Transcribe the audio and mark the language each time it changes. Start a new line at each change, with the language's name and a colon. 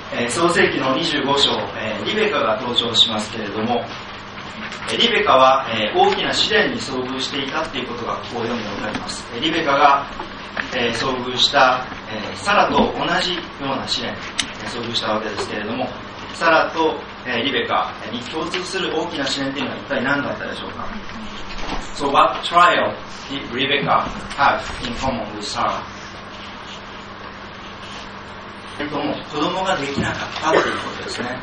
Japanese: 創世記の25章、リベカが登場しますけれども、リベカは、大きな試練に遭遇していたということがここを読んでわかります。リベカが、遭遇した、サラと同じような試練に遭遇したわけですけれども、サラと、リベカに共通する大きな試練というのは一体何だったでしょうか。
English: So what trial did Rebecca have in common with Sarah?
Japanese: もう子供ができなかったということですね。